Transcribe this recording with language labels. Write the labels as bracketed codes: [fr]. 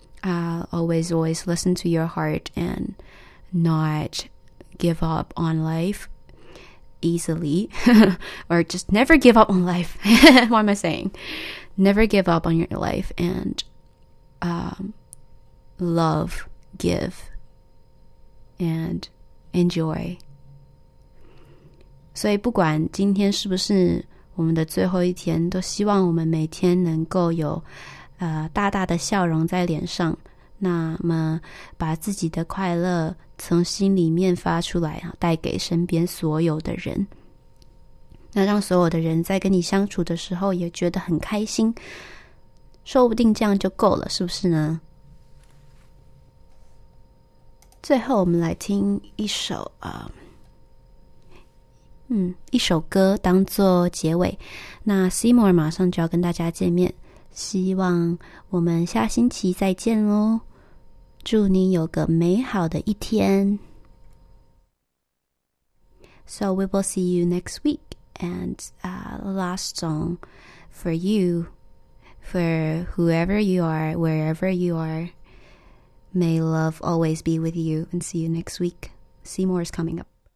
[en] Always listen to your heart and not give up on life. easily or just never give up on life. What am I saying? Never give up on your life and love, give and enjoy. [zh] 所以不管今天是不是我们的最后一天，都希望我们每天能够有大大的笑容在脸上，那么把自己的快乐从心里面发出来，带给身边所有的人，那让所有的人在跟你相处的时候也觉得很开心，说不定这样就够了，是不是呢？最后我们来听一首一首歌当做结尾。那 Seymour 马上就要跟大家见面，希望我们下星期再见咯，祝你有个美好的一天。 [en] So we will see you next week. And last song for you, for whoever you are, wherever you are, may love always be with you. And see you next week. Seymour is coming up.